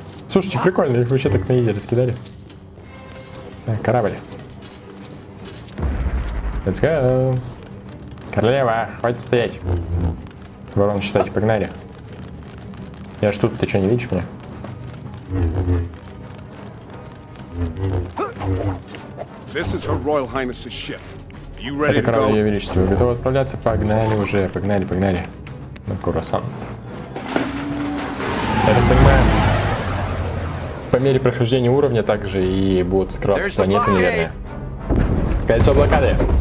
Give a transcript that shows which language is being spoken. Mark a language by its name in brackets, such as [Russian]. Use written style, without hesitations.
[Russian] Слушайте, прикольно, их вообще так на еде раскидали. На, корабль. [English] Let's go! [Russian] Королева, хватит стоять. Ворон считайте, погнали. Я ж тут, ты что, не видишь меня? [English] This is Her Royal Highness's ship. Are you ready to go? [Russian] Это корабль Ее Величества. Вы готовы отправляться? Погнали уже, погнали, погнали. На круассант. Я так понимаю, по мере прохождения уровня также и будут открываться планеты, наверное. Кольцо блокады.